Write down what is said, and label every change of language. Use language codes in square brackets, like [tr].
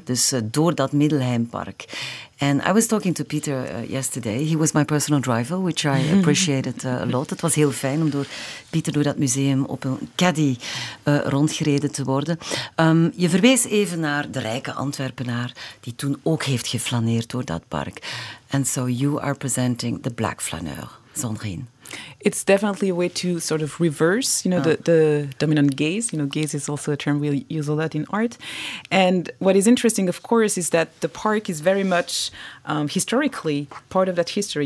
[nl] Dus door dat Middelheimpark. [en] And I was talking to Peter yesterday. He was my personal driver, which I appreciated a lot. [nl] Het was heel fijn om door Peter door dat museum op een caddy rondgereden te worden. Je verwees even naar de rijke Antwerpenaar die toen ook heeft geflaneerd door dat park. [en] And so you are presenting the Black Flaneur, Sandrine. It's definitely a way to sort of reverse, you know, the dominant gaze. You know, gaze is also a term we use a lot in art. And what is interesting, of course, is that the park is very much historically part of that history.